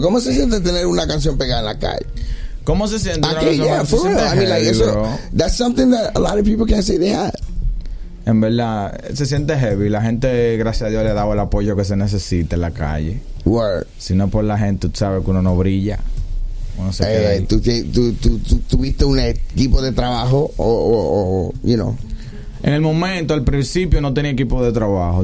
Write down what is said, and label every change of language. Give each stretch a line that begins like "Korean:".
Spanish: ¿Cómo se siente tener una canción pegada en la calle? ¿Cómo se siente?
English: Aquí, yeah, for real. I mean, like, eso, that's something that a lot of people can't say they had.
Spanish: En verdad, se siente heavy. La gente, gracias a Dios, le ha dado el apoyo que se necesita en la calle.
English: Word.
Spanish: Si no por la gente, tú sabes que uno no brilla. Uno se queda. ¿Tú tuviste un equipo de trabajo o? En el momento, al principio, no tenía equipo de trabajo.